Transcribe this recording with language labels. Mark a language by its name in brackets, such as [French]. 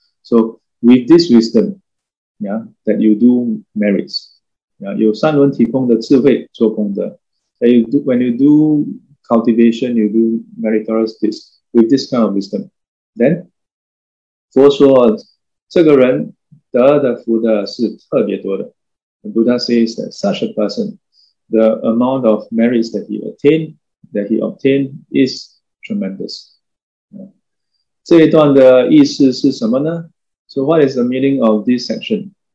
[English] So with this wisdom, yeah, that you do merits, yeah, [Chinese] 有三轮体空的智慧做功德, [English] that you do, when you do cultivation, you do meritorious deeds with this kind of wisdom. [Chinese] Then, 佛说这个人得的福德是特别多的. [English] The Buddha says that such a person, the amount of merits that he attained, is tremendous. Yeah. [Chinese] 这一段的意思是什么呢? [English] So what is the meaning of this section?